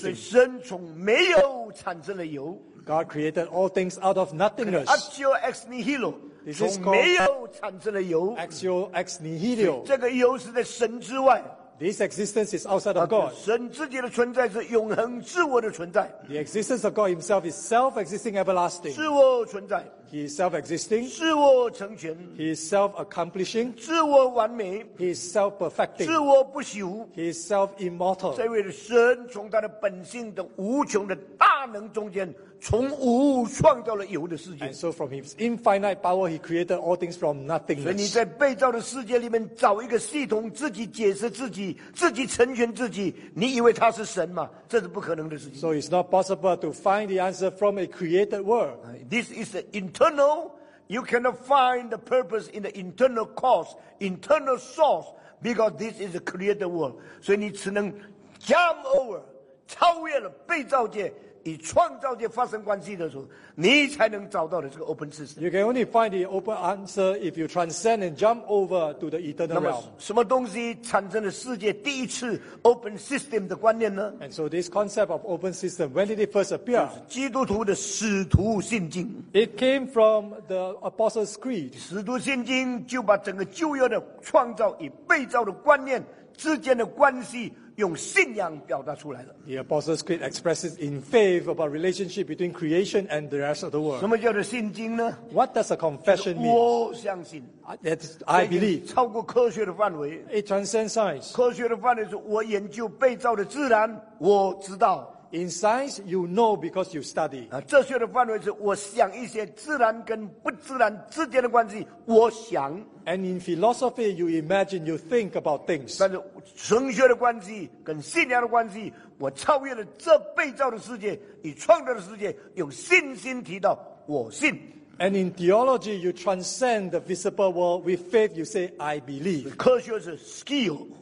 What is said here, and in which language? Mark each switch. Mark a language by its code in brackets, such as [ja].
[zh] 所以神从没有产生了有 [en] God created all things out of nothingness. [la] Actio ex nihilo. [zh] 从没有产生了有 [la] Actio ex nihilo. [zh] 这个有是在神之外 [en] This existence is outside of God. [zh] 神自己的存在是永恒自我的存在。 [en] The existence of God himself is self-existing everlasting. [zh] 自我存在。 [en] He is self-existing. [zh] 自我成全。 [en] He is self-accomplishing. [zh] 自我完美。 [en] He is self-perfecting. [zh] 自我不朽。 [en] He is self-immortal. [zh] 这位神从他的本性的无穷的大能中间从无创造了有的世界。 [en] And so from his infinite power, he created all things from nothingness. [zh] 所以你在被造的世界里面找一个系统，自己解释自己，自己成全自己，你以为他是神吗？这是不可能的事情。 [en] So it's not possible to find the answer from a created world. This is the internal. You cannot find the purpose in the internal cause, internal source, because this is a created world. [zh] 所以你只能 [en] jump over, [zh] 超越了被造界。以创造界发生关系的时候，你才能找到的这个 open system. [en] You can only find the open answer if you transcend and jump over to the eternal realm. [zh] 那么，什么东西产生了世界第一次 open system 的观念呢 [en] ？And so this concept of open system, when did it first appear? [zh] 就是基督徒的使徒信经。 [en] It came from the Apostles' Creed. [zh] 使徒信经就把整个旧约的创造与被造的观念之间的关系。用信仰表达出来的。 [en] The Apostles' Creed expresses in faith about relationship between creation and the rest of the world. [zh] 什么叫做信经呢 [en] ？What does a confession mean? [zh] 我相信。 [en] I believe. [zh] 超过科学的范围。 [en] It transcends science. [zh] 科学的范围是我研究被造的自然，我知道。 [en] In science, you know because you study. [zh] 哲学的范围是我想一些自然跟不自然之间的关系，我想。 [en] And in philosophy, you imagine, you think about things. [zh] 但是神学的关系跟信仰的关系，我超越了这被造的世界与创造的世界，用信心提到我信。 [en] And in theology, you transcend the visible world with faith. You say, I believe. [zh] 科学是 skill.